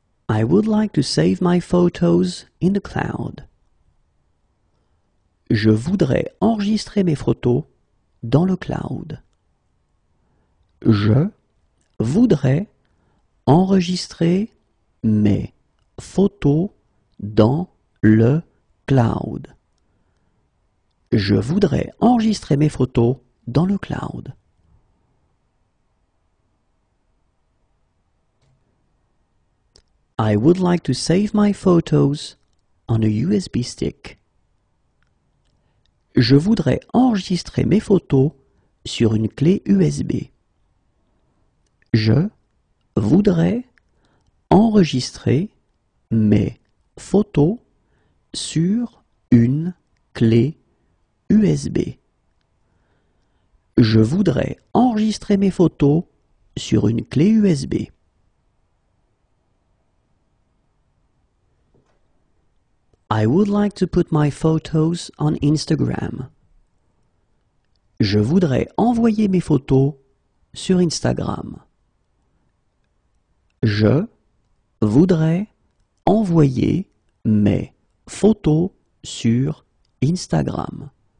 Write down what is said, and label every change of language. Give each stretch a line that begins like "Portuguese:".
English: I would like to save my photos in the cloud.
French: Je voudrais enregistrer mes photos dans le cloud. Je voudrais enregistrer mes photos dans le cloud. Je voudrais enregistrer mes photos dans le cloud.
English: I would like to save my photos on a USB stick.
French: Je voudrais enregistrer mes photos sur une clé USB. Je voudrais enregistrer mes photos sur une clé USB. Je voudrais enregistrer mes photos sur une clé USB.
English: I would like to put my photos on Instagram.
French: Je voudrais envoyer mes photos sur Instagram. Je voudrais envoyer mes photos sur Instagram.